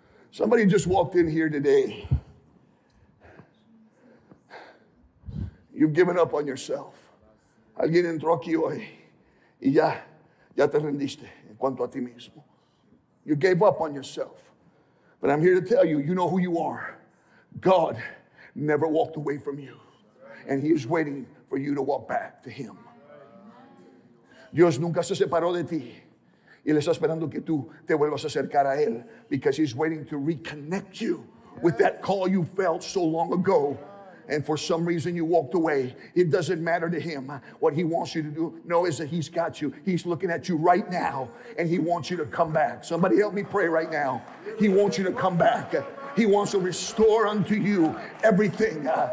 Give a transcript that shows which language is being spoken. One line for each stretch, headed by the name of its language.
English: Somebody just walked in here today. You've given up on yourself.
Spanish: Alguien entró aquí hoy y ya te rendiste en cuanto a ti mismo.
English: You gave up on yourself. But I'm here to tell you, you know who you are. God never walked away from you. And He is waiting for you to walk back to Him.
Spanish: Dios nunca se separó de ti. Y Él está esperando que tú te vuelvas a acercar a Él.
English: Because He's waiting to reconnect you with that call you felt so long ago. And for some reason you walked away. It doesn't matter to Him. What He wants you to do, know is that He's got you. He's looking at you right now. And He wants you to come back. Somebody help me pray right now. He wants you to come back. He wants to restore unto you everything.